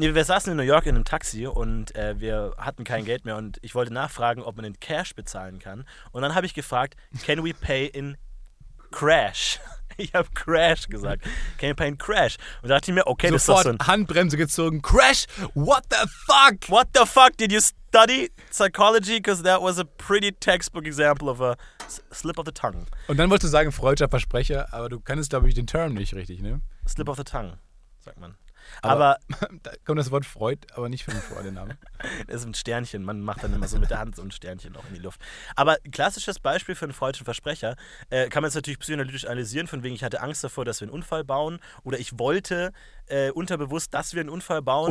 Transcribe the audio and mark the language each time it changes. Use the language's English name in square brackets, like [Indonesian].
[German] Nee, wir saßen in New York in einem Taxi und wir hatten kein Geld mehr und ich wollte nachfragen, ob man in Cash bezahlen kann. Und dann habe ich gefragt, [English] can we pay in Crash? [German] Ich habe Crash gesagt. [English] Can you pay in Crash? [German] Und da dachte ich mir, okay, sofort das ist doch so ein... Handbremse gezogen. [English] Crash? What the fuck? What the fuck? Did you study psychology? Because that was a pretty textbook example of a slip of the tongue. [German] Und dann wolltest du sagen, freudscher Versprecher, aber du kennst, glaube ich, den Term nicht richtig, ne? [English] Slip of the tongue, [German] sagt man. Aber da kommt das Wort Freud, aber nicht für den Vornamen. Das ist ein Sternchen. Man macht dann immer so mit der Hand so ein Sternchen auch in die Luft. Aber klassisches Beispiel für einen freudschen Versprecher kann man jetzt natürlich psychoanalytisch analysieren, von wegen ich hatte Angst davor, dass wir einen Unfall bauen oder ich wollte unterbewusst, dass wir einen Unfall bauen,